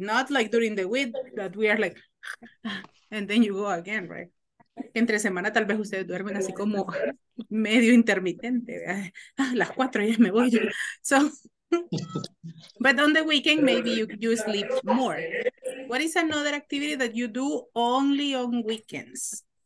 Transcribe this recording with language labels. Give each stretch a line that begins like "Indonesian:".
English: Not like during the week that we are like, and then you go again, right?
Spanish: Entre semana tal vez ustedes duermen así como medio intermitente. Las 4 ya me voy yo.
English: So, but on the weekend maybe you sleep more. What is another activity that you do only on weekends?